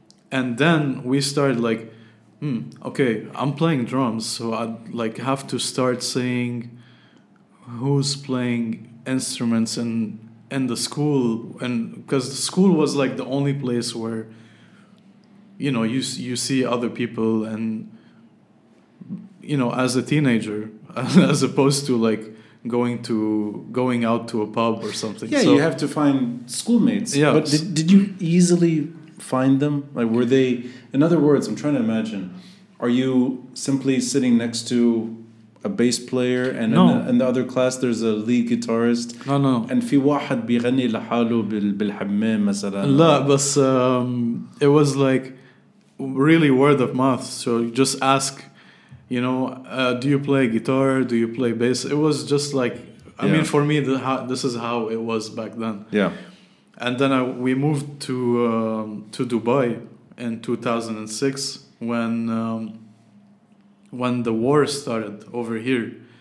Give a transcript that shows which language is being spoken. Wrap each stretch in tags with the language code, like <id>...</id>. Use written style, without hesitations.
<en>And then we started like, okay, I'm playing drums, so I'd like have to start seeing who's playing instruments and the school, and because the school was like the only place where, you know, you see other people, and you know, as a teenager, as opposed to like going out to a pub or something. Yeah, so, you have to find schoolmates. Yeah, but did you easily find them? Like, were they? In other words, I'm trying to imagine: are you simply sitting next to a bass player, and in the other class there's a lead guitarist? No. And</en> <ar>في واحد بيغني لحاله بالحمام مثلا. لا بس</ar> <en>it was like really word of mouth. So you just ask, you know, do you play guitar? Do you play bass? It was just like, I mean, for me, this is how it was back then. Yeah. And then we moved to Dubai in 2006 when the war started over here.</en>